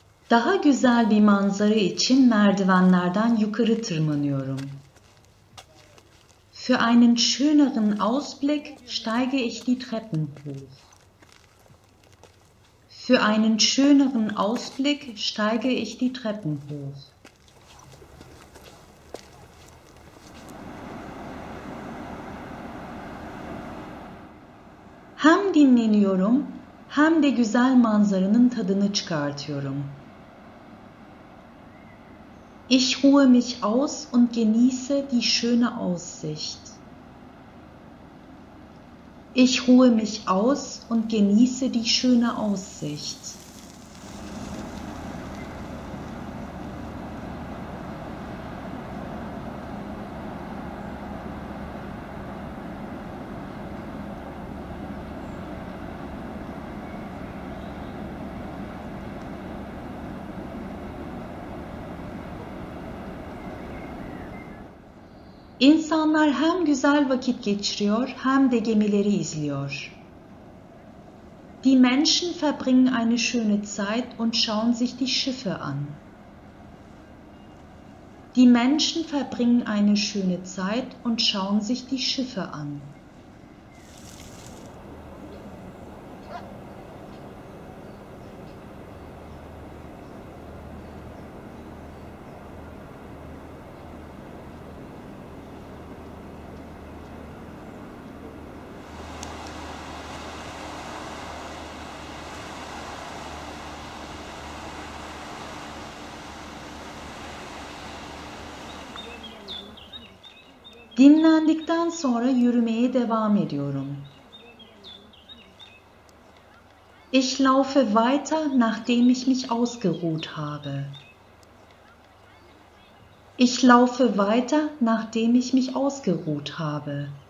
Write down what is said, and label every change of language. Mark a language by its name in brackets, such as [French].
[Turkish] Daha güzel bir manzara için merdivenlerden yukarı tırmanıyorum. [German] Für einen schöneren Ausblick steige ich die Treppen hoch. Für einen schöneren Ausblick steige ich die Treppen hoch. [Turkish] Hem dinleniyorum, hem de güzel manzaranın tadını çıkartıyorum. [German] Ich ruhe mich aus und genieße die schöne Aussicht. Ich ruhe mich aus und genieße die schöne Aussicht. [Turkish] İnsanlar hem güzel vakit geçiriyor hem de gemileri izliyor. [German] Die Menschen verbringen eine schöne Zeit und schauen sich die Schiffe an. Die Menschen verbringen eine schöne Zeit und schauen sich die Schiffe an. [Turkish] Dinlendikten sonra yürümeye devam ediyorum. [German] Ich laufe weiter, nachdem ich mich ausgeruht habe. Ich laufe weiter, nachdem ich mich ausgeruht habe.